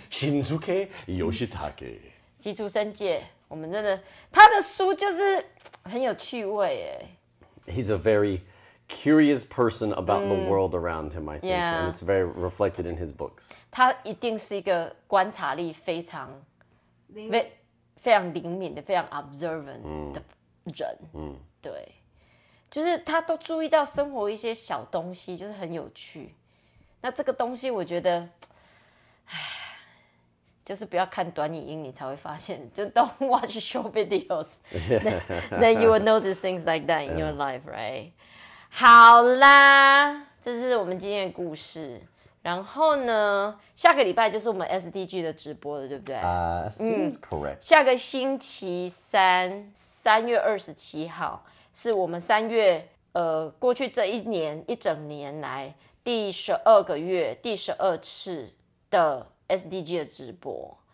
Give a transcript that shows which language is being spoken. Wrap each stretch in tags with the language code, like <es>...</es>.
<zh>新竹的 Yoshitake. 基础生界，我们真的，他的书就是很有趣味耶。</zh> <en>He's a very curious person about the world around him, I think. Yeah. And it's very reflected in his books.</en> <zh>他一定是一个观察力非常，非常灵敏的，非常 observant 的人。对。就是他都注意到生活一些小东西，就是很有趣。那这个东西我觉得，唉，就是不要看短影音你才会发现。</zh> <en>就 don't watch short videos, then you will notice things like that in your life, right?</en> <zh>好啦，这是我们今天的故事。然后呢，下个礼拜就是我们 SDG 的直播了，对不对？</zh> <en>Seems correct.</en> <zh>下个星期三，3月27号。是我们三月，过去这一年一整年来第12个月第12次的 SDG 的直播。</zh>